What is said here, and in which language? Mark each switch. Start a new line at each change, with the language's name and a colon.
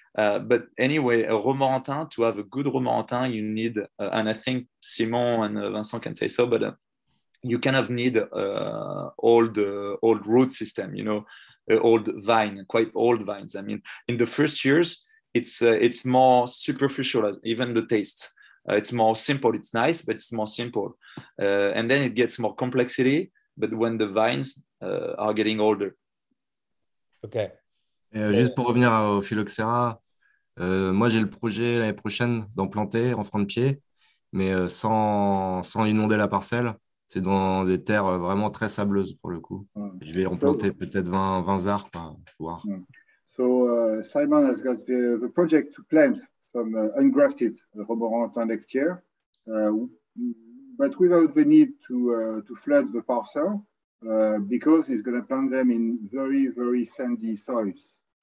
English: But anyway, a Romorantin, to have a good Romorantin, you need, and I think Simon and Vincent can say so, but you kind of need old root system, you know, old vine, quite old vines. I mean, in the first years, it's more superficial, even the taste. It's more simple. It's nice, but it's more simple. And then it gets more complexity, but when the vines are getting older. Okay.
French: Juste pour revenir au phylloxera, moi j'ai le projet l'année prochaine d'en planter en franc de pied, mais sans inonder la parcelle. C'est dans des terres vraiment très sableuses pour le coup. Mm. Je vais en planter peut-être 20 arbres, quoi, voir. Mm.
English: So Simon has got the project to plant some ungrafted Romorantin next year, but without the need to flood the parcel. Because he's going to plant them in very, very sandy soils.